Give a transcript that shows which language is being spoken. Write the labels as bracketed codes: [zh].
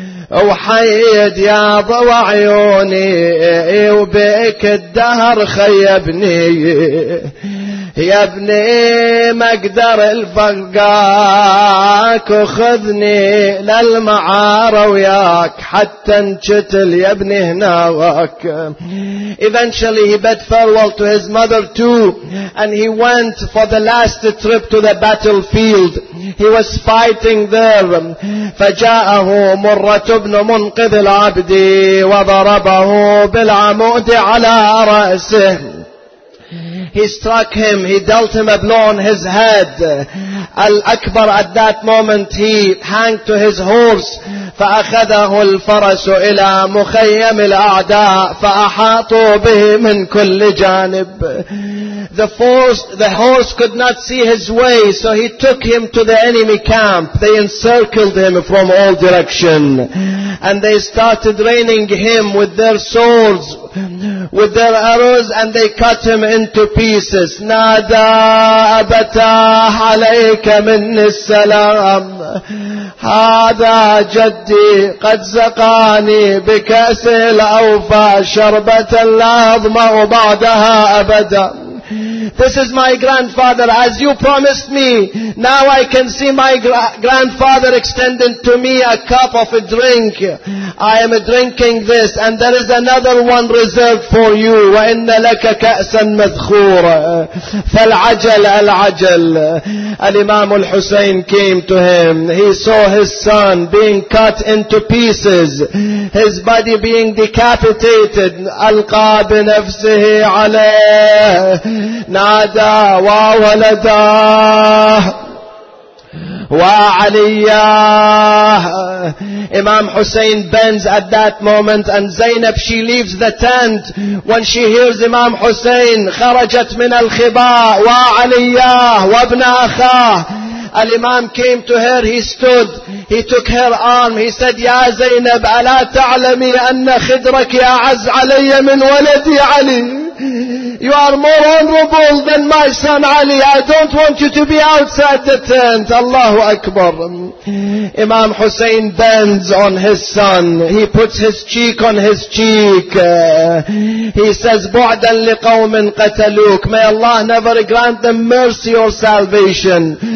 [ar] وحيد يا ضو عيوني وبيك الدهر خيبني يا ابني ما اقدر الفقاك وخذني للمعارة وياك حتى انشتل يا ابني هناك. [en] Eventually he bid farewell to his mother too, and he went for the last trip to the battlefield. He was fighting there. [ar] فجاءه مرة بن منقذ العبد وضربه بالعمود على رأسه. [en] He struck him, he dealt him a blow on his head. Al-Akbar at that moment, he hanged to his horse. [ar] فَأَخَذَهُ الْفَرَسُ إِلَىٰ مُخَيَّمِ الْأَعْدَاءِ فَأَحَاطُوا بِهِ مِنْ كُلِّ جَانِبِ. [en] The horse could not see his way, so he took him to the enemy camp. They encircled him from all direction. And they started raining him with their swords, with their arrows, and they cut him into pieces. [ar] نادى أبتاه عليك من السلام هذا جدي قد زقاني بكأس الأوفى شربة لا أضمأ بعدها أبدا. [en] This is my grandfather, as you promised me. Now I can see my grandfather extending to me a cup of a drink. I am drinking this, and there is another one reserved for you. [ar] وَإِنَّ لَكَ كَأْسًا مَذْخُورًا فَالْعَجَلَ الْعَجَلَ. [en] Al-Imam al-Hussein came to him. He saw his son being cut into pieces, his body being decapitated. [ar] أَلْقَى بِنَفْسِهِ عَلَيْهِ نادى وولداه وعلياه. [en] Imam Hussein bends at that moment, and Zainab, she leaves the tent when she hears Imam Hussein. [ar] خرجت من الخباء وعلياه وابن أخاه. [en] Al-Imam came to her, he stood, he took her arm, he said, Ya Zainab, [ar] ألا تعلمي أن خدرك أعز علي من ولدي علي. [en] You are more honorable than my son Ali. I don't want you to be outside the tent. Allahu Akbar. Imam Hussein bends on his son. He puts his cheek on his cheek. He says, [ar] بُعْدًا لِقَوْمٍ قَتَلُوكَ. [en] May Allah never grant them mercy or salvation.